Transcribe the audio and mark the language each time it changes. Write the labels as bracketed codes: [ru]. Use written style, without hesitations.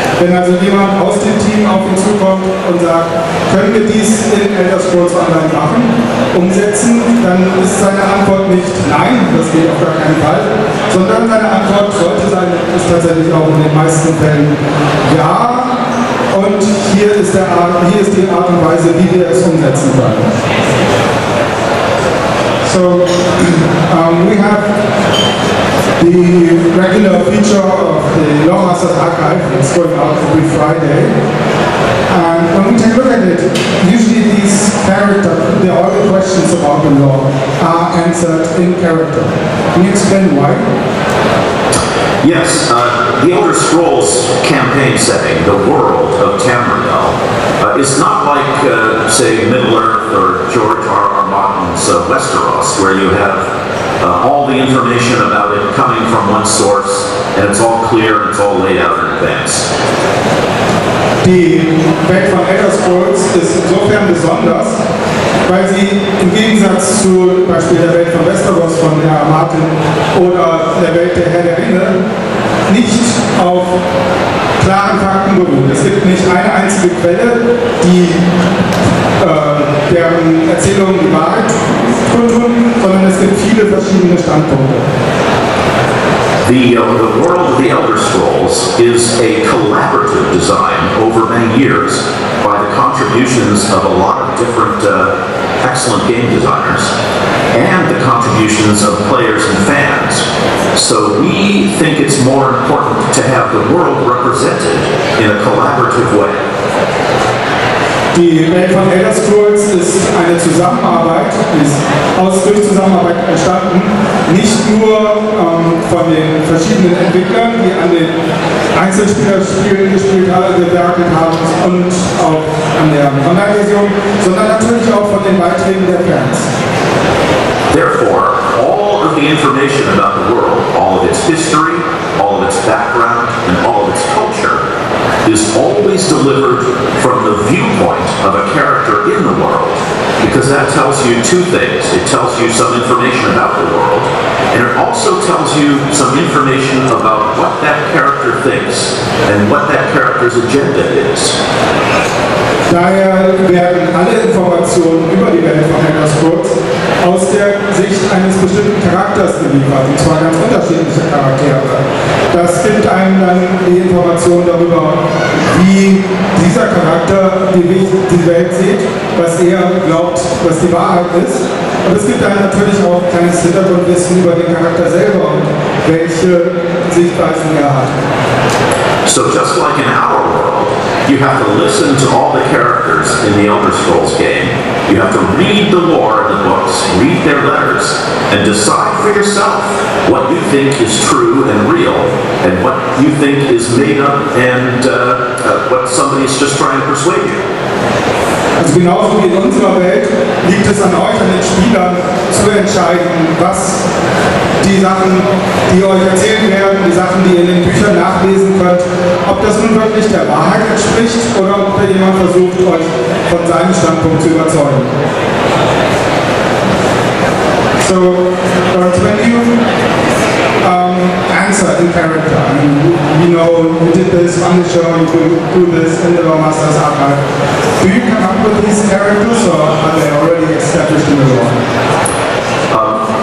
[de] Wenn also jemand aus dem Team auf ihn zukommt und sagt, können wir dies in Elder Scrolls Online machen, umsetzen, dann ist seine Antwort nicht nein, das geht auf gar keinen Fall, sondern seine Antwort sollte sein, ist tatsächlich auch in den meisten Fällen ja. Und hier ist die Art und Weise, wie wir es umsetzen können. [en] So, we have the regular feature of the Lawmasters Archive. It's going out every Friday. And when we take a look at it, usually these characters, all the questions about the law are answered in character. Can you explain why? Yes, the Elder Scrolls campaign setting, the world of Tamriel, is not like, say, Middle-earth or George R. R. Martin's Westeros, where you have all the information about it coming from one source, and it's all clear and it's all laid out in advance. [de] Die Welt von Elder Scrolls ist insofern besonders, weil sie im Gegensatz zu Beispiel der Welt von Westeros von Herr Martin oder der Welt der Herr der Ringe nicht auf klaren Fakten beruht. Es gibt nicht eine einzige Quelle, die deren Erzählungen die Wahrheit kundtun, sondern es gibt viele verschiedene Standpunkte. [en] The world of the Elder Scrolls is a collaborative design over many years by the contributions of a lot of different excellent game designers and the contributions of players and fans. So we think it's more important to have the world represented in a collaborative way. [de] Die Welt von Elder Scrolls ist eine Zusammenarbeit, ist aus durch Zusammenarbeit entstanden, nicht nur von den verschiedenen Entwicklern, die an den Einzelspielerspielen gewerkelt haben und auch an der Online-Version, sondern natürlich auch von den Beiträgen der Fans. [en] Therefore, all of the information about the world, all of its history, all of its background, and all of its culture, is always delivered from the viewpoint of a character in the world, because that tells you two things. It tells you some information about the world, and it also tells you some information about what that character thinks and what that character's agenda is. [de] Daher werden alle Informationen über die Welt von Elder Scrolls aus der Sicht eines bestimmten Charakters geliefert, und zwar ganz unterschiedliche Charaktere. Das gibt einem dann die Informationen darüber, wie dieser Charakter die Welt sieht, was er glaubt, was die Wahrheit ist. Und es gibt dann natürlich auch ein kleines Hintergrundwissen über den Charakter selber und welche Sichtweisen er hat. [en] So just like in our world, you have to listen to all the characters in the Elder Scrolls game. You have to read the lore in the books, read their letters, and decide for yourself what you think is true and real, and what you think is made up, and what somebody's just trying to persuade you. [de] Also genauso wie in unserer Welt liegt es an euch, an den Spielern, zu entscheiden, was die Sachen, die euch erzählen werden, die Sachen, die ihr in den Büchern nachlesen könnt, ob das nun wirklich der Wahrheit entspricht oder ob da jemand versucht, euch von seinem Standpunkt zu überzeugen. [en] So, when you answer in character, you know, you did this on the show, you do this in the Lawmasters Archive, do you come up with these characters or are they already established in the lore?